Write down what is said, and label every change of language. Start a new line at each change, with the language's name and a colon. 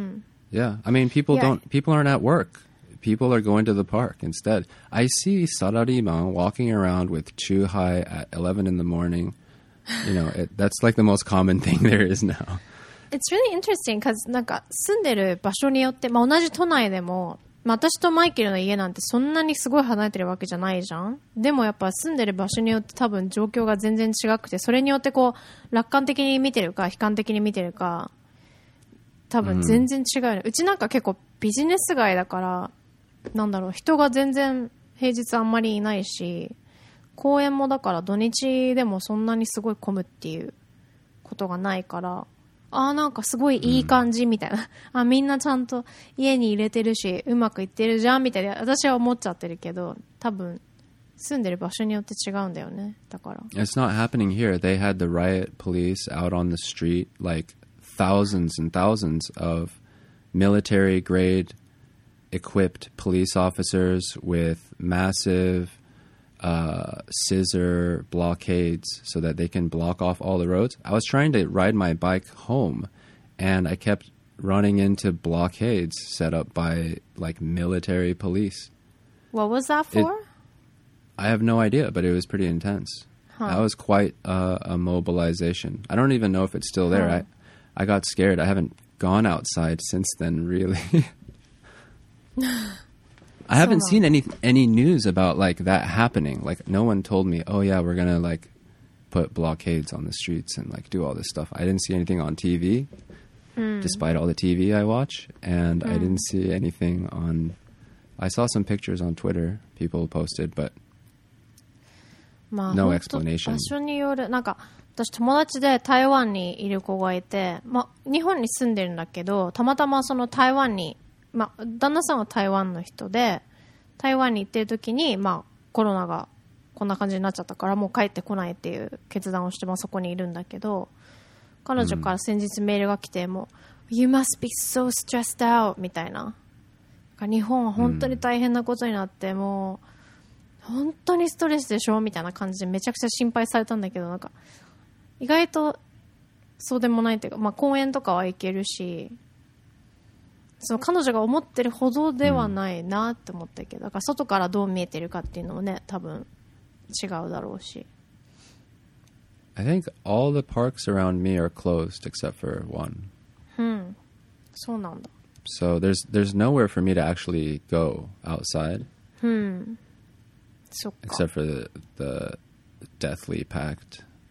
English: Hmm. Yeah, I mean, people yeah. don't. People aren't at work. People are going to the park instead. I see Sarariman walking around with Chuhai at 11 in the morning. You know, that's like the most common thing there is now. It's really interesting because,
Japanese: なんか住んでる場所によって、まあ同じ都内でも。まあ、私とマイケルの家なんてそんなにすごい離れてるわけじゃないじゃん。でもやっぱ住んでる場所によって多分状況が全然違くて、それによってこう楽観的に見てるか悲観的に見てるか多分全然違うよね、うん、うちなんか結構ビジネス街だから、なんだろう、人が全然平日あんまりいないし、公園もだから土日でもそんなにすごい混むっていうことがないから、あーなんかすごいいい感じみたいな、うん、あみんなちゃんと家に入れてるしうまくいってるじゃんみたいな、私は思っちゃってるけど、多分住んでる場所によって違うんだよね。だから
English: It's not happening here. They had the riot police out on the street, like thousands and thousands of military grade equipped police officers with massive scissor blockades so that they can block off all the roads. I was trying to ride my bike home and I kept running into blockades set up by like military police. What was that for? I have no idea, but it was pretty intense. Huh. That was quite a mobilization. I don't even know if it's still there. Huh. I got scared. I haven't gone outside since then, really. I haven't seen any news about like that happening. Like no one told me, oh yeah, we're gonna like put blockades on the streets and like do all this stuff. I didn't see anything on TV, despite all the TV I watch. And I didn't see anything on, I saw some pictures on Twitter people posted, but no explanation.
Japanese: 場所による、なんか私友達で台湾にいる子がいて、ま、日本に住んでるんだけど、たまたまその台湾に、まあ、旦那さんは台湾の人で、台湾に行ってる時に、まあ、コロナがこんな感じになっちゃったからもう帰ってこないっていう決断をして、まあ、そこにいるんだけど、彼女から先日メールが来て、もう
English: You must be so stressed out
Japanese: みたいな、日本は本当に大変なことになって、もう本当にストレスでしょみたいな感じでめちゃくちゃ心配されたんだけど、なんか意外とそうでもないっていうか、まあ、公園とかは行けるし、その彼女が思ってるほどではないなって思ったけど、だから外からどう見えてるかっていうのもね、多分違うだろうし。
English: I think all the parks around me are closed except for one.
Japanese: そうなんだ。
English: So there's nowhere for me to actually go outside.
Japanese: そっか。
English: Except for the deathly packed.